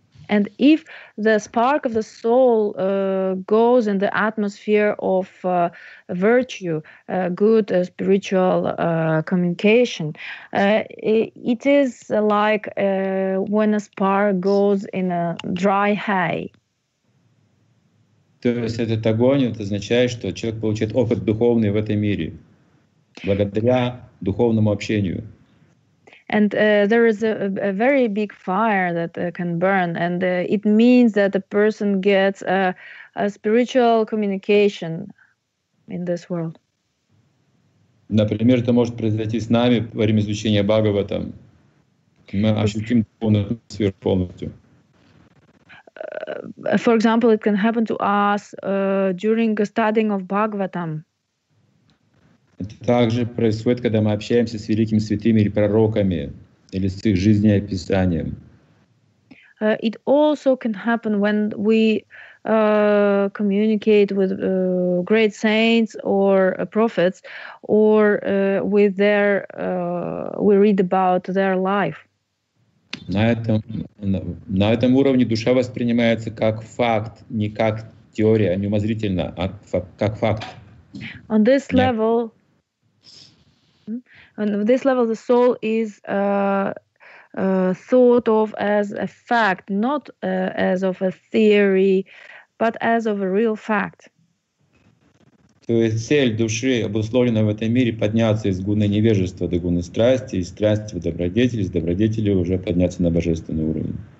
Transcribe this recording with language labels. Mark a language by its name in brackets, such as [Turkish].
[English] And if the spark of the soul goes in the atmosphere of virtue, good spiritual communication, it is like when a spark goes in a dry hay. [Russian] То есть этот огонь, это означает, что человек получает опыт духовный в этом мире благодаря духовному общению. [English] And there is a very big fire that can burn, and it means that a person gets a spiritual communication in this world. [Russian] Например, это может произойти с нами во время изучения Бхагаватам. Мы ощутим духовную атмосферу полностью. [English] For example, it can happen to us during the studying of Bhagavatam. [Russian] Это также происходит, когда мы общаемся с великими святыми или пророками, или с их жизнеописанием. [English] It also can happen when we communicate with great saints or prophets, or with their, we read about their life. [Russian] На этом уровне душа воспринимается как факт, не как теория, не умозрительно, а как факт. [English] On this level, the soul is thought of as a fact, not as of a theory, but as of a real fact. [Russian] То есть цель души обусловлена в этом мире подняться из гуны невежества до гуны страсти, из страсти в добродетели, из добродетели уже подняться на божественный уровень.